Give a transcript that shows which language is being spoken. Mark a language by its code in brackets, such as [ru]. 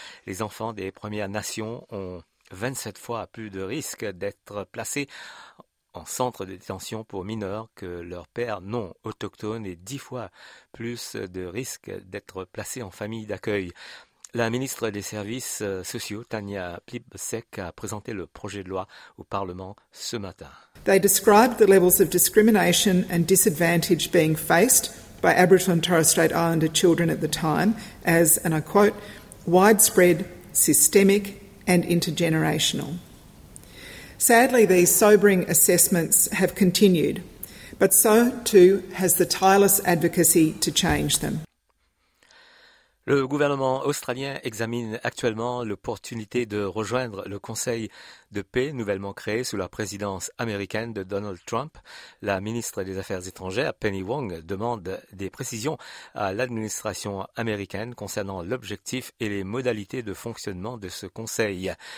[fr] Les enfants des Premières Nations ont 27 fois plus de risques d'être placés en centre de détention pour mineurs que leurs pères non autochtones et 10 fois plus de risques d'être placés en famille d'accueil. La ministre des Services sociaux, Tania Plibersek, a présenté le projet de loi au Parlement ce matin. [en] They described the levels of discrimination and disadvantage being faced by Aboriginal and Torres Strait Islander children at the time as, and I quote, widespread, systemic and intergenerational. Sadly, these sobering assessments have continued, but so too has the tireless advocacy to change them. [fr] Le gouvernement australien examine actuellement l'opportunité de rejoindre le Conseil de paix nouvellement créé sous la présidence américaine de Donald Trump. La ministre des Affaires étrangères, Penny Wong, demande des précisions à l'administration américaine concernant l'objectif et les modalités de fonctionnement de ce conseil.